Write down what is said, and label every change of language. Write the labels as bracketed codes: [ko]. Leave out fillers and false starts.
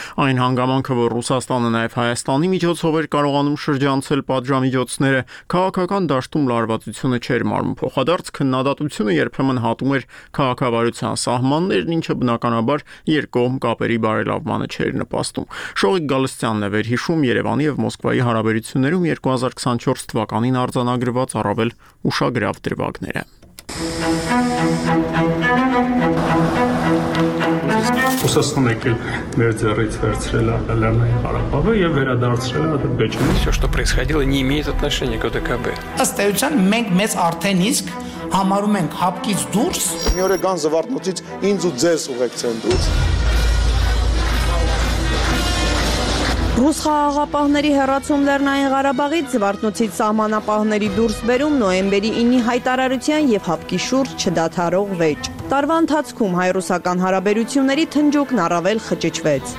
[hy] այն հանգամանքը, որ Ռուսաստանը նաև Հայաստանի միջոցով էր կարողանում շրջանցել պատժամիջոցները, քաղաքական դաշտում լարվածությունը չէր մարմնում, փոխադարձ քննադատությունը երբեմն հատում էր քաղաքավարության սահմաններն, ինչը բնականաբար երկկողմ կապերի բարելավումը լավմանը չէր նպաստում։ Շողիկ Գալստյանն է վերհիշում Երևանի և Մոսկվայի հարաբերություններում 2024 թվականին արձանագրված առավել ուշագրավ դրվագները։ Ռուսաստանը մեր ձեռից վերցրել Լեռնային Ղարաբաղը եւ վերադարձրել Ադրբեջանը։ [ru] Всё, что происходило, не имеет отношения к ОДКБ։ [hy] Ըստ էության, մենք մեզ արդեն իսկ համարում ենք հապկից դուրս։ Մի օր է կան զվարթնոցից ինձ ու ձեզ ուղեկցեն դուրս։ Ռուս խաղաղապահների հերացում Լեռնային Ղարաբաղից Զվարթնոցից սահմանապահների դուրս բերում նոեմբերի 9-ի հայտարարության եւ հապկի շուրջ չդադարող վեճ։ Տարվա ընթացքում հայ-ռուսական հարաբերությունների թնջուկն առավել խճճվեց։